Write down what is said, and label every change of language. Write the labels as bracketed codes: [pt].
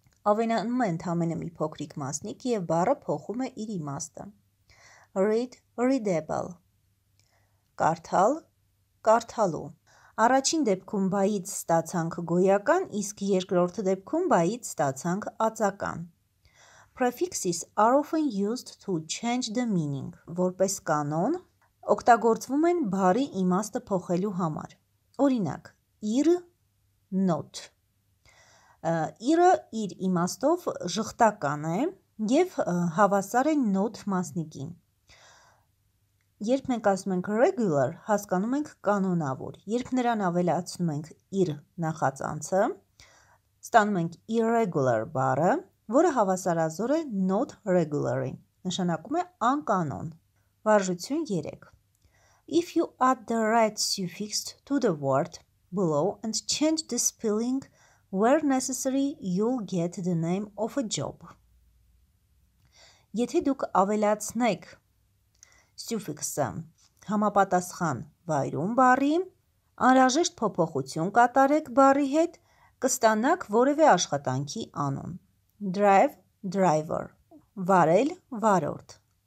[hy] Ավենանում է ընդամենը մի փոքրիկ մասնիկ եւ բառը փոխում է իր իմաստը. [en] Read, readable. [hy] Կարդալ, կարդալու. Առաջին դեպքում բայից ստացանք գոյական, իսկ երկրորդ դեպքում բայից ստացանք ածական. [en] Prefixes are often used to change the meaning. [hy] Որպես կանոն, օգտագործվում են բառի իմաստը փոխելու համար. Օրինակ, ir, not. Ir-ը իր իմաստով ժխտական է եւ հավասար է not մասնիկին. Երբ մենք ասում ենք regular, հասկանում ենք կանոնավոր։ Երբ նրան ավելացնում ենք ir նախածանցը, ստանում ենք irregular բառը, որը հավասարազոր է not regularly, նշանակում է անկանոն։ Վարժություն 3. [en] If you add the right suffix to the word, below and change the spelling. Where necessary, you'll get the name of a job. [hy] Եթե դուք ավելացնեք սյուֆիքսը համապատասխան վայրում բառի, անհրաժեշտ փոփոխություն կատարեք բառի հետ, կստանաք որևէ աշխատանքի անուն. [en] Drive, driver. [hy] Վարել, վարորդ.